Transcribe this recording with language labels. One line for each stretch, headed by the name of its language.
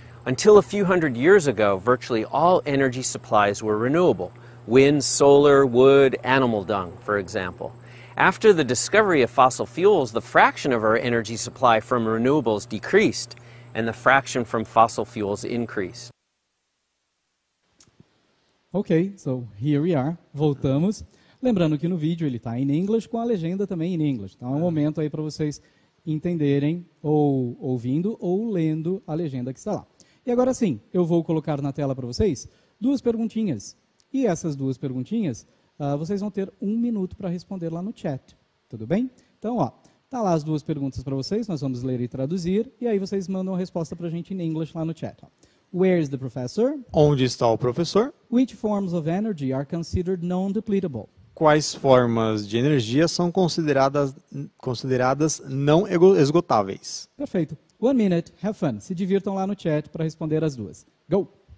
English: Until a few hundred years ago, virtually all energy supplies were renewable. Wind, solar, wood, animal dung, for example. After the discovery of fossil fuels, the fraction of our energy supply from renewables decreased, and the fraction from fossil fuels increased. Okay, so here we are.
Portuguese: Voltamos. Lembrando que no vídeo ele está em inglês com a legenda também em inglês. Então é um momento aí para vocês entenderem ou ouvindo ou lendo a legenda que está lá. E agora sim, eu vou colocar na tela para vocês duas perguntinhas. E essas duas perguntinhas, vocês vão ter um minuto para responder lá no chat. Tudo bem? Então, ó, tá lá as duas perguntas para vocês, nós vamos ler e traduzir, e aí vocês mandam a resposta para a gente em inglês lá no chat.
English: Ó. Where is the professor?
Portuguese: Onde está o professor?
English: Which forms of energy are considered non-depletable?
Portuguese: Quais formas de energia são consideradas não esgotáveis? Perfeito.
English: One minute, have fun.
Portuguese: Se divirtam lá no chat para responder as duas.
English: Go!